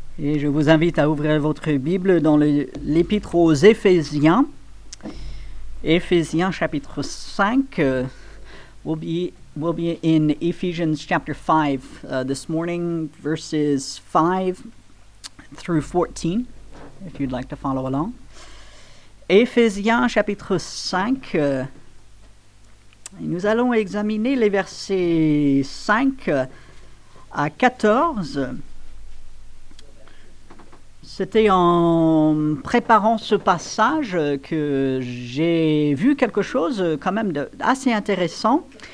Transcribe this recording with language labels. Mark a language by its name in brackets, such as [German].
[French] Et je vous invite à ouvrir votre Bible dans l'Épître aux Éphésiens. Éphésiens chapitre 5. [English] We'll be in Ephesians chapter 5 this morning, verses 5 through 14, if you'd like to follow along. [French] Éphésiens chapitre 5. Et nous allons examiner les versets 5 à 14. C'était en préparant ce passage que j'ai vu quelque chose quand même d'assez intéressant.